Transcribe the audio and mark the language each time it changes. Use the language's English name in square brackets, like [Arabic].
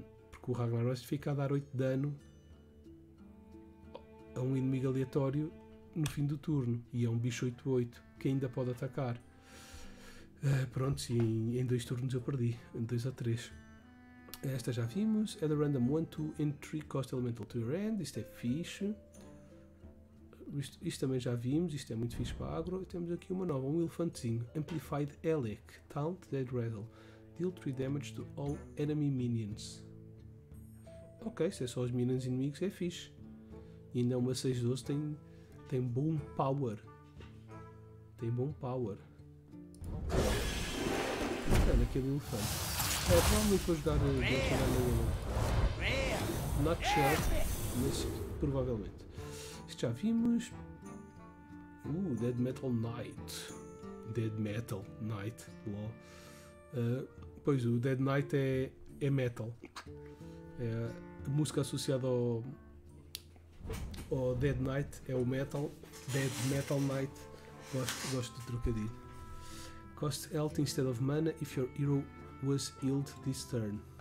[Portuguese] Porque o Ragnaros fica a dar 8 de dano a um inimigo aleatório no fim do turno e é um bicho 8-8 que ainda pode atacar. Pronto, sim, em 2 turnos eu perdi, em 2 a 3. Esta já vimos. [English] Add a random 1, 2 and 3 cost elemental to your hand. [Portuguese] Isto é fixe. Isto também já vimos. Isto é muito fixe para agro. E temos aqui uma nova. Um elefantezinho. Amplified Elec. Taunt Dead Rattle. [English] Deal 3 damage to all enemy minions. Ok. [Portuguese] Se é só os minions inimigos, é fixe. E ainda uma 6-12. Tem bom power. Tem bom power. Olha aquele elefante. É, provavelmente vou jogar Genshin Not Shell, mas provavelmente. Isto já vimos. Dead Metal Knight. Dead Metal Knight, lol. Pois, o Dead Knight é metal. É, a música associada ao Dead Knight é o metal. Dead Metal Knight. Gosto do trocadilho. [English] Cost health instead of mana if your hero was healed this turn.